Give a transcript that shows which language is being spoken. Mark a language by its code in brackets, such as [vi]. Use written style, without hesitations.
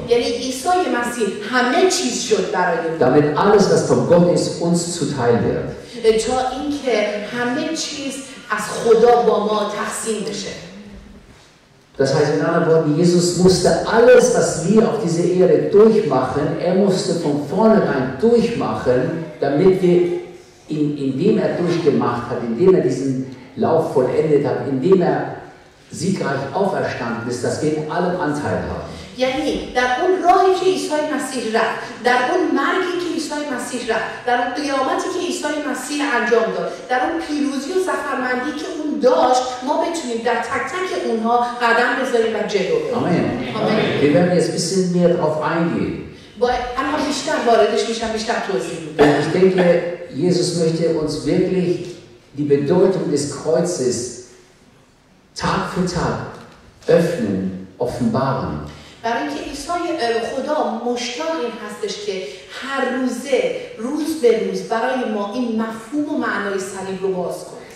[fa] یعنی عیسی مسیح همه چیز شد برای ما. [de] Damit alles, was von Gott ist, uns zuteil wird. [fa] تا اینکه همه چیز از خدا با ما تقسیم بشه. [de] Das heißt in anderen Worten, Jesus musste alles, was wir auf dieser Erde durchmachen, musste von vornherein durchmachen, damit wir indem er durchgemacht hat, indem er diesen Lauf vollendet hat, indem er siegreich auferstanden ist, dass wir in allem Anteil haben. [fa] یعنی در اون راهی که عیسی مسیح رفت، در اون مرگی که عیسی مسیح رفت، در اون قیامتی که عیسی مسیح انجام داد، در اون پیروزی و ظفرمندی که اون داشت، ما بتونیم در تک تک اونها قدم بذاریم و جلو بریم. آمین. [de] Wir werden jetzt ein bisschen mehr darauf eingehen. Und ich denke, Jesus möchte uns wirklich die Bedeutung des Kreuzes Tag für Tag öffnen, offenbaren. [fa] برای اینکه عیسی خدا مشتاق این هستش که هر روزه روز به روز برای ما این مفهوم و معنای صلیب رو باز کنه.